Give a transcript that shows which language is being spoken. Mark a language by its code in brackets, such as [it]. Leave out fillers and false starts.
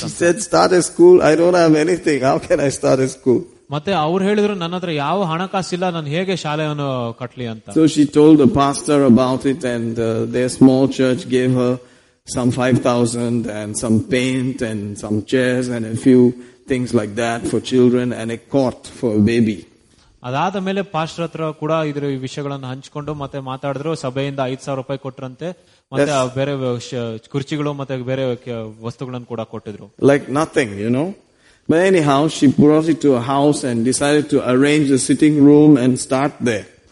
[en] she said start a school I don't have anything how can I start a school [kn] ಮತ್ತೆ ಅವ್ರು ಹೇಳಿದ್ರು ನನ್ನ ಹತ್ರ ಯಾವ ಹಣಕಾಸು ಇಲ್ಲ ನಾನು ಹೇಗೆ ಶಾಲೆಯನ್ನು ಕಟ್ಲಿ ಅಂತ [en] So she told the pastor about it and they small church gave her some 5,000 and some paint and some chairs and a few things like that for children and a cot for a baby. [kn] ಅದಾದ ಮೇಲೆ pastor ಹತ್ರ ಕೂಡ ಇದ್ರ ವಿಷಯಗಳನ್ನು ಹಂಚಿಕೊಂಡು ಮತ್ತೆ ಮಾತಾಡಿದ್ರು ಸಭೆಯಿಂದ 5,000 rupees ಕೊಟ್ರಂತೆ ಮತ್ತೆ ಬೇರೆ ಕುರ್ಚಿಗಳು ಮತ್ತೆ ಬೇರೆ ವಸ್ತುಗಳನ್ನು ಕೂಡ ಕೊಟ್ಟಿದ್ರು [en] like nothing you know but any house she brought it to a house and decided to arrange the sitting room and start there